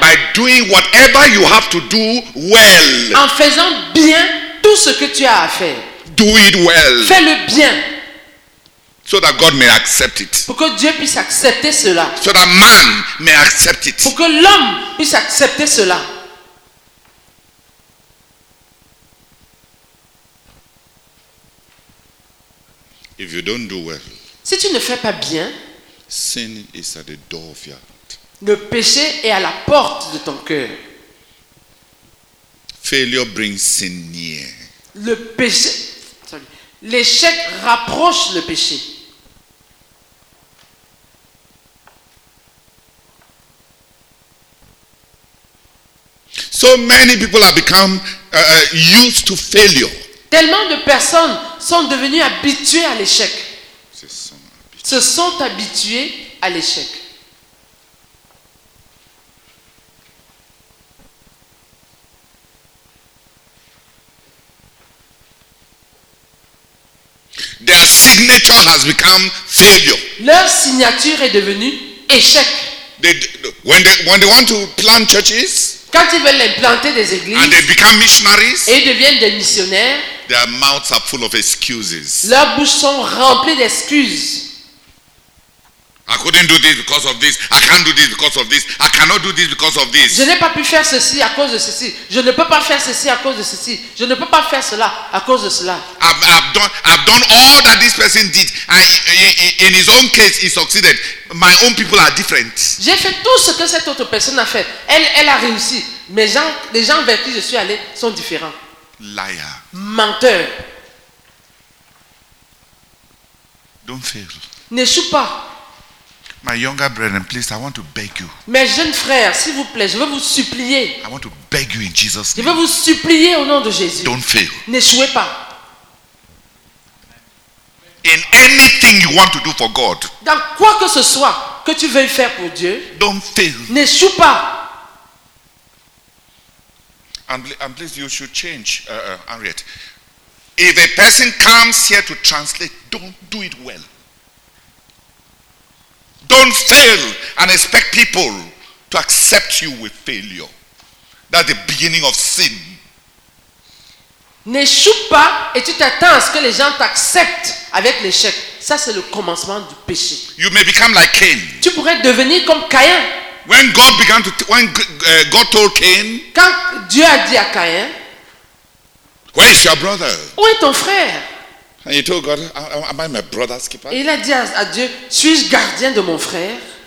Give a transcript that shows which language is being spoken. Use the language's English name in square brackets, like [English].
[English] By doing whatever you have to do well. [French] En faisant bien tout ce que tu as à faire. [English] Do it well. [French] Fais-le bien. [English] So that God may accept it. [French] Pour que Dieu puisse accepter cela. [English] So that man may accept it. [French] Pour que l'homme puisse accepter cela. [English] If you don't do well, [French] si tu ne fais pas bien, [English] sin is at the door of your heart. [French] Le péché est à la porte de ton cœur. [English] Failure brings sin near. [French] Le péché, l'échec rapproche le péché. [English] So many people have become used to failure. [French] Tellement de personnes sont devenues habituées à l'échec. Se sont habituées à l'échec. [English] Their signature has become failure. [French] Leur signature est devenue échec. [English] When they want to plant churches. [French] Quand ils veulent implanter des églises, [English] and they become missionaries, [French] et ils deviennent des missionnaires, [English] their mouths are full of excuses. [French] Leurs bouches sont remplies d'excuses. [English] I couldn't do this because of this. I can't do this because of this. I cannot do this because of this. [French] Je n'ai pas pu faire ceci à cause de ceci. Je ne peux pas faire ceci à cause de ceci. Je ne peux pas faire cela à cause de cela. [English] I've done all that this person did, and in his own case, he succeeded. My own people are different. [French] J'ai fait tout ce que cette autre personne a fait. Elle a réussi. Mes gens, les gens vers qui je suis allé sont différents. [English] Liar. [French] Menteur. [English] Don't fail. [French] N'échoue pas. [English] My younger brethren, please, I want to beg you. [French] Mes jeunes frères, s'il vous plaît, je veux vous supplier. [English] I want to beg you in Jesus' name. [French] Je veux vous supplier au nom de Jésus. [English] Don't fail. [French] N'échouez pas. [English] In anything you want to do for God. [French] Dans quoi que ce soit que tu veuilles faire pour Dieu. [English] Don't fail. [French] N'échoue pas. [English] And please, you should change, Henriette. If a person comes here to translate, don't do it well. Don't fail and expect people to accept you with failure. That's the beginning of sin. [French] N'échoue pas et tu t'attends à ce que les gens t'acceptent avec l'échec. Ça, c'est le commencement du péché. [English] You may become like Cain. [French] Tu pourrais devenir comme Caïn. [English] When God told Cain, [French] quand Dieu a dit à Caïn, [English] where is your brother? [French] Où est ton frère? [English] And he told God, am I my brother's keeper? [French] Et il a dit à Dieu, suis-je gardien de mon frère?